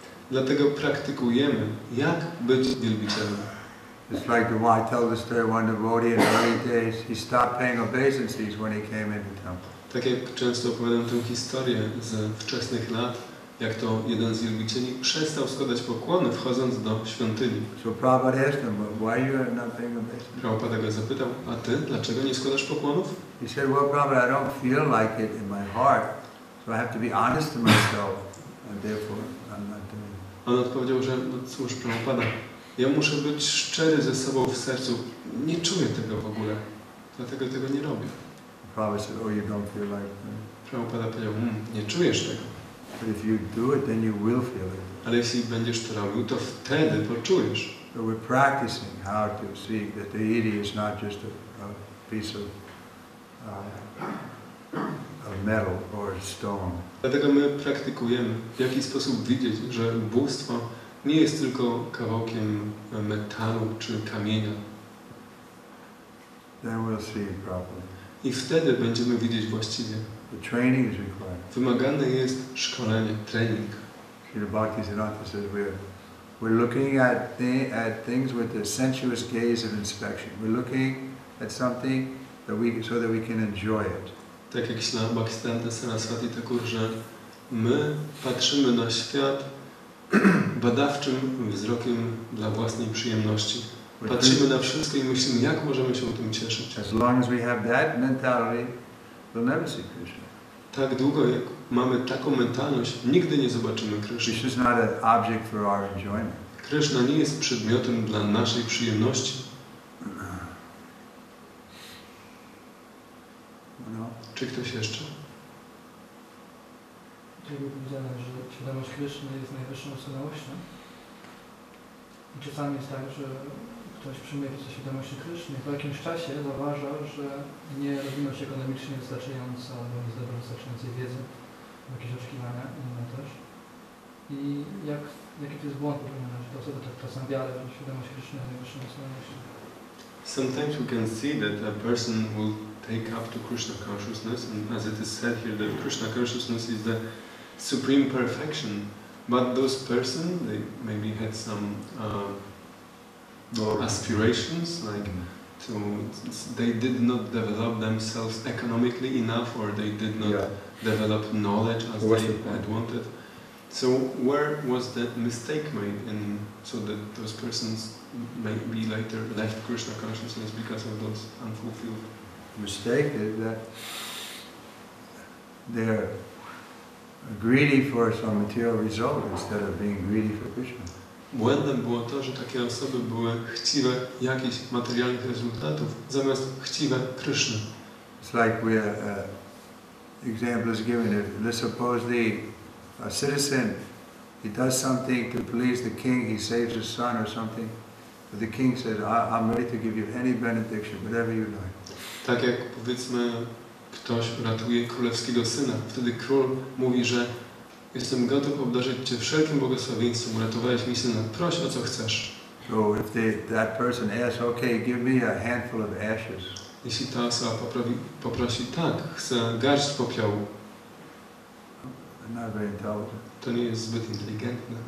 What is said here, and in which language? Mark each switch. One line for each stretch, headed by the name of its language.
Polish: Dlatego praktykujemy, jak być wielbicielem.
English: It's like the why tell the story of one devotee in the early days, he stopped paying obeisances when he came into the temple.
Polish: Tak jak często opowiadam tę historię z wczesnych lat, jak to jeden z wielbicieli przestał składać pokłony, wchodząc do świątyni.
English: So Prabhupada asked him, but why you are not paying obeisance?
Polish: Prabhupada go zapytał, a ty, dlaczego nie składasz pokłonów?
English: He said, well, Prabhupada, I don't feel like it in my heart, so I have to be honest to myself, and therefore I'm not doing it.
Polish: On odpowiedział, że no cóż, Prabhupada, ja muszę być szczery ze sobą w sercu, nie czuję tego w ogóle, dlatego tego nie robię.
English: Prabhupada said, oh, you don't feel like it.
Polish: Prabhupada powiedział, nie czujesz tego.
English: But if you do it, then you will feel it.
Polish: Ale jeśli będziesz to robił, to wtedy poczujesz.
English: So we're practicing how to see that the deity is not just a piece of a metal or a stone.
Polish: Dlatego my praktykujemy, w jaki sposób widzieć, że bóstwo nie jest tylko kawałkiem metalu czy kamienia.
English: Then we'll see it properly.
Polish: I wtedy będziemy widzieć właściwie.
English: The training is required.
Polish: Wymagane jest szkolenie, trening.
English: Srila Bhaktisiddhanta says we're looking at things with a sensuous gaze of inspection. We're looking at something that we so that we can enjoy it.
Polish: Tak jak Srila Bhaktisiddhanta Sarasvati Thakur, że my patrzymy na świat badawczym wzrokiem dla własnej przyjemności. Patrzymy na wszystko i myślimy, jak możemy się o tym cieszyć.
English: As long as we have that mentality, we'll never see Krishna.
Polish: Tak długo jak mamy taką mentalność, nigdy nie zobaczymy Krishna.
English: Krishna is not an object for our enjoyment.
Polish: Krishna nie jest przedmiotem dla naszej przyjemności. No. Czy ktoś jeszcze? Dlatego powiedziano, że świadomość Krishna jest najwyższą osobowością. I czasami jest tak, że ktoś przymierzy się świadomości Kryszny, po jakimś czasie zauważa, że nie rozwinął się ekonomicznie wystarczająco, albo nie zdobył wystarczającej wiedzy, albo jakieś oczekiwania inne też. I jaki to jest błąd, że ta osoba tak czasem wiary, że świadomość Kryszny jest najwyższą osobowością.
English: Sometimes we can see that a person will take up to Krishna consciousness, and as it is said here, that Krishna consciousness is the supreme perfection. But those persons, they maybe had some aspirations, like to, they did not develop themselves economically enough, or they did not develop knowledge as they had wanted. So where was that mistake made, and so that those persons maybe later left Krishna consciousness because of those unfulfilled? Mistake is that they're greedy for some material result instead of being greedy for Krishna.
Polish: Błędem było to, że takie osoby były chciwe jakichś materialnych rezultatów zamiast chciwe Krishna.
English: It's like we example is given. Let's suppose the a citizen he does something to please the king, he saves his son or something. But the king says, I'm ready to give you any benediction, whatever you like.
Polish: Tak jak powiedzmy, ktoś ratuje królewskiego syna. Wtedy król mówi, że jestem gotów obdarzyć cię wszelkim błogosławieństwem. Uratowałeś mi syna. Proś o co chcesz.
English: So if that person asks, okay, give me a handful of ashes.
Polish: Jeśli ta osoba poprosi, tak, chcę garść popiołu.
English: Not very intelligent.
Polish: To nie jest zbyt inteligentne.